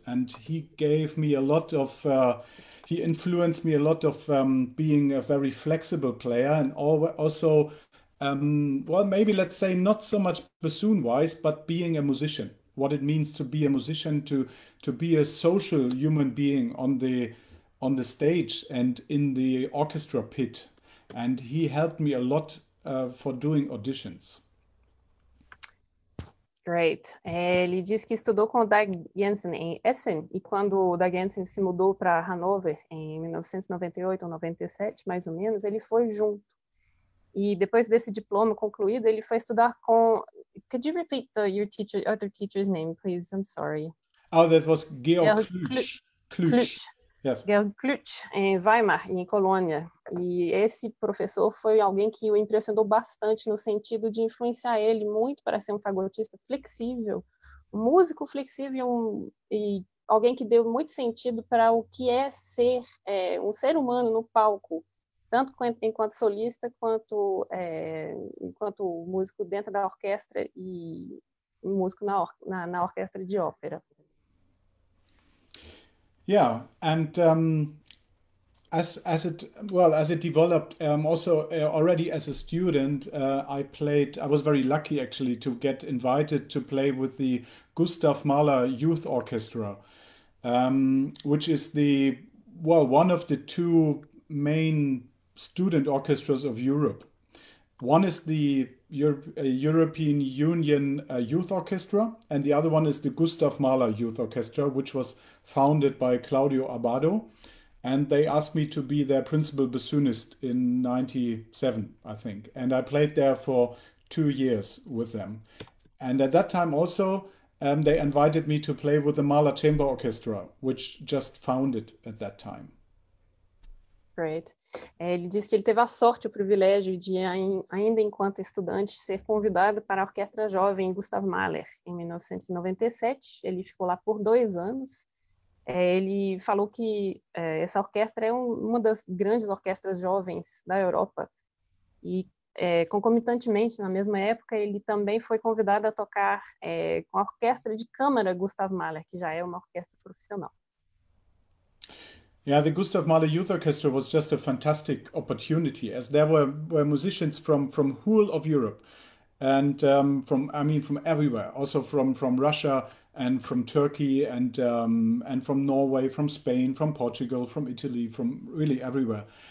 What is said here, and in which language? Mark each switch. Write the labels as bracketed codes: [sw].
[en] And he gave me a lot of, he influenced me a lot of being a very flexible player, and also, well, maybe let's say not so much bassoon-wise, but being a musician. What it means to be a musician, to be a social human being on the stage and in the orchestra pit. And he helped me a lot for doing auditions. Great. [pt] Ele disse que estudou com o Dag Jensen em Essen, e quando o Dag Jensen se mudou para Hanover em 1998 ou 97, mais ou menos, ele foi junto. E depois desse diploma concluído, ele foi estudar com... [en] Could you repeat the, your teacher, other teacher's name, please? I'm sorry. Oh, that was Georg Klütsch. [pt] Yes. Georg Klütsch, em Weimar, em Colônia. E esse professor foi alguém que o impressionou bastante no sentido de influenciar ele muito para ser um fagotista flexível, um músico flexível, e alguém que deu muito sentido para o que é ser um ser humano no palco, tanto enquanto solista quanto enquanto músico dentro da orquestra e músico na orquestra de ópera. [en] Yeah, and as it developed, also already as a student, I was very lucky actually to get invited to play with the Gustav Mahler Youth Orchestra, which is the, well, one of the two main student orchestras of Europe. One is the European Union Youth Orchestra, and the other one is the Gustav Mahler Youth Orchestra, which was founded by Claudio Abbado, and they asked me to be their principal bassoonist in 97, I think, and I played there for 2 years with them. And at that time also, they invited me to play with the Mahler Chamber Orchestra, which just founded at that time. Great. [pt] Ele disse que ele teve a sorte, o privilégio de, ainda enquanto estudante, ser convidado para a Orquestra Jovem Gustav Mahler em 1997. Ele ficou lá por 2 anos. Ele falou que essa orquestra é uma das grandes orquestras jovens da Europa. E, concomitantemente, na mesma época, ele também foi convidado a tocar com a Orquestra de Câmara Gustav Mahler, que já é uma orquestra profissional. [en] Yeah, the Gustav Mahler Youth Orchestra was just a fantastic opportunity, as there were musicians from whole of Europe, and from everywhere, also from Russia and from Turkey and from Norway, from Spain, from Portugal, from Italy, from really everywhere.